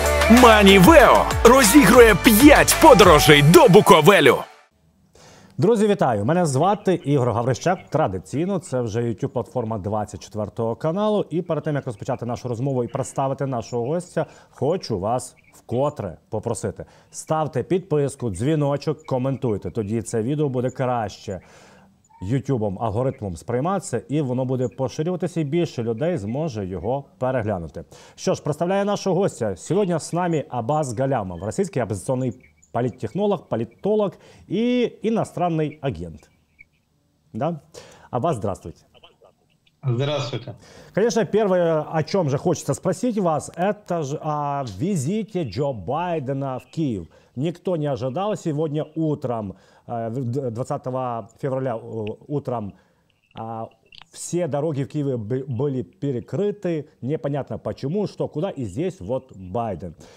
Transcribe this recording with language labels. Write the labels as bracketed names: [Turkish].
[Ukrainian] Маніверо розігрує 5 подорожей до Буковелю. Друзі, вітаю! Мене звати Ігор Гаврищак. Традиційно це вже YouTube-платформа 24 каналу. І перед тим, як розпочати нашу розмову і представити нашого гостя, хочу вас вкотре попросити. Ставте підписку, дзвіночок, коментуйте. Тоді це відео буде краще YouTube-ом, алгоритмом сприйматися, і воно буде поширюватися, і більше людей зможе його переглянути. Що ж, представляю нашого гостя. Сьогодні з нами Абаз Галямов, російський опозиційний політтехнолог, політолог і іностранний агент. [Russian] Да? Абаз, здравствуйте. Здравствуйте. Конечно, первое, о чем же хочется спросить вас, это же о визите Джо Байдена в Киев. Никто не ожидал сегодня утром, 20 февраля утром, все дороги в Киеве были перекрыты, непонятно почему, что, куда, и здесь вот Байден.